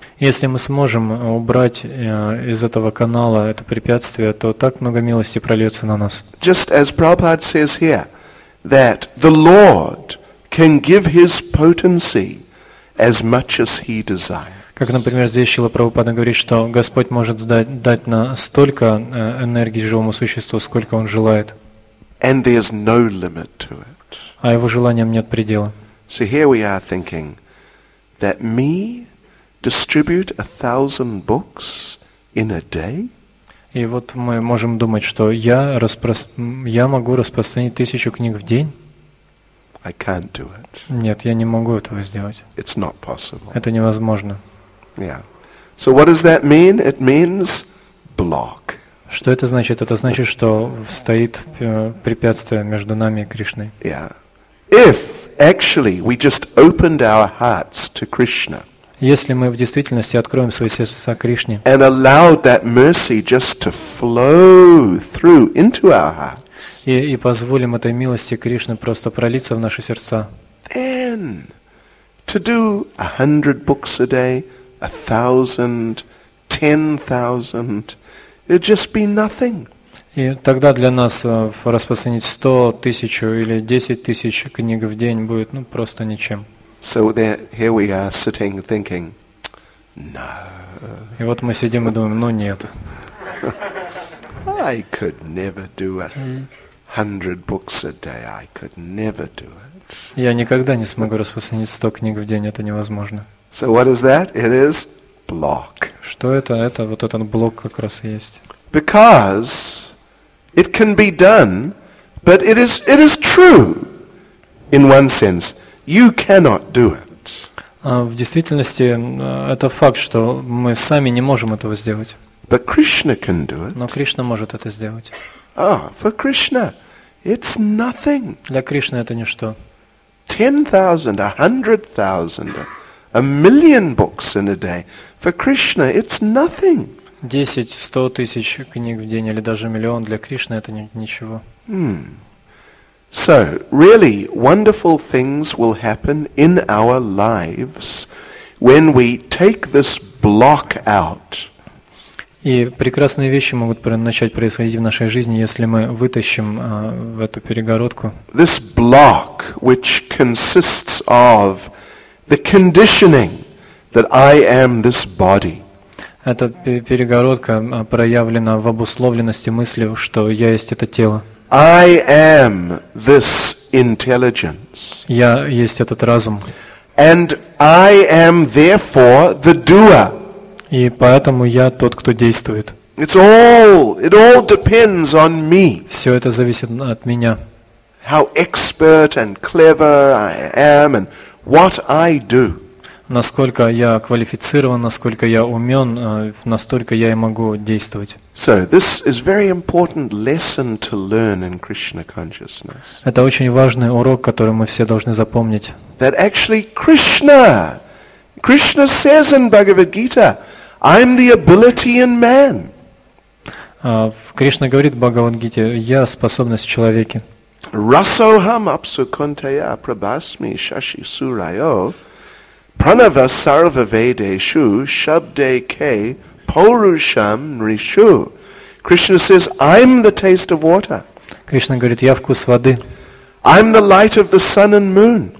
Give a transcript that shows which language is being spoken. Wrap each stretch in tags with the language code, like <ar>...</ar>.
<ru>Если мы сможем убрать из этого канала это препятствие, то так много милости прольется на нас.</ru> <en>Just as Prabhupada says here, that the Lord can give His potency as much as He desires.</en> <ru>Как, например, здесь Шрила Прабхупада говорит, что Господь может дать на столько энергии живому существу, сколько Он желает.</ru> <en>And there's no limit to it.</en> <ru>А Его желаниям нет предела.</ru> <en>So here we are thinking that me distribute 1,000 books in a day?</en> <ru>И вот мы можем думать, что я могу распространить 1,000 книг в день?</ru> <en>I can't do it.</en> <ru>Нет, я не могу этого сделать.</ru> <en>It's not possible.</en> <ru>Это невозможно.</ru> <en>Yeah. So what does that mean? It means block.</en> <ru>Что это значит? Это значит, что стоит препятствие между нами и Кришной.</ru> <en>Yeah. If actually we just opened our hearts to Krishna.</en> <ru>Если мы в действительности откроем свои сердца Кришне.</ru> <en>And allowed that mercy just to flow through into our hearts.</en> <ru>И позволим этой милости Кришны просто пролиться в наши сердца.</ru> <en>Then to do 100 books a day. 1,000, 10,000, it'd just be nothing.</en> <ru>И тогда для нас распространить 100,000 или 10,000 книг в день будет просто ничем.</ru> <en>So there, here we are sitting thinking, no.</en> <ru>И вот мы сидим и думаем, нет.</ru> <en>I could never do 100 books a day. I could never do it.</en> <ru>Я никогда не смогу распространить 100 книг в день. Это невозможно.</ru> <en>So what is that? It is block.</en> <ru>Что это? Это вот этот блок как раз и есть.</ru> <en>Because it can be done, but it is true in one sense. You cannot do it.</en> <ru>В действительности это факт, что мы сами не можем этого сделать.</ru> <en>But Krishna can do it.</en> <ru>Но Кришна может это сделать.</ru> <en>Oh, for Krishna, it's nothing.</en> <ru>Для Кришны это ничто.</ru> <en>10,000, 100,000. A million books in a day. For Krishna, it's nothing.</en> <ru>10-100 тысяч книг в день или даже миллион для Кришны это ничего.</ru> <en>So, really, wonderful things will happen in our lives When we take this block out,</en> <ru>и прекрасные вещи могут начать происходить в нашей жизни, если мы вытащим в эту перегородку.</ru> <en>This block, which consists of the conditioning that I am this body.</en> <ru>Эта перегородка проявлена в обусловленности мыслью, что я есть это тело.</ru> <en>I am this intelligence.</en> <ru>Я есть этот разум.</ru> <en>And I am therefore the doer.</en> <ru>И поэтому я тот, кто действует.</ru> <en>It all depends on me.</en> <ru>Все это зависит от меня.</ru> <en>How expert and clever I am and what I do.</en> <ru>Насколько я квалифицирован, насколько я умен, настолько я и могу действовать.</ru> <en>So this is very important lesson to learn in Krishna consciousness.</en> <ru>Это очень важный урок, который мы все должны запомнить.</ru> <en>That actually Krishna says in Bhagavad Gita, I'm the ability in man.</en> <ru>Кришна говорит в Бхагавад-гите: я способность в человеке.</ru> <sa>Расоham apsukunteya prabhasmi shashi surayo pranava sarvavedeshu shabde ke purusham rishu.</sa> <en>Krishna says, I'm the taste of water.</en> <ru>Кришна говорит: я вкус воды.</ru> <en>I'm the light of the sun and moon.</en>